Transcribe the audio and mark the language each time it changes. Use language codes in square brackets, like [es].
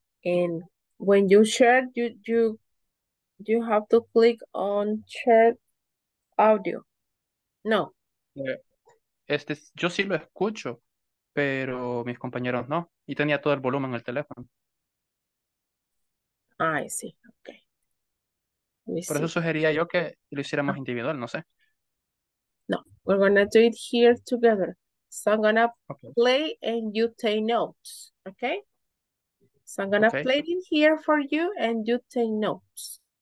[en] And when you share, you have to click on chat audio. [es] No. Este, yo sí lo escucho, pero mis compañeros no. Y tenía todo el volumen en el teléfono. Ah, sí, okay. Por eso sugería yo que lo hiciéramos individual, no sé. [en] No, we're gonna do it here together. So I'm gonna play and you take notes, okay? So I'm gonna play it here for you and you take notes.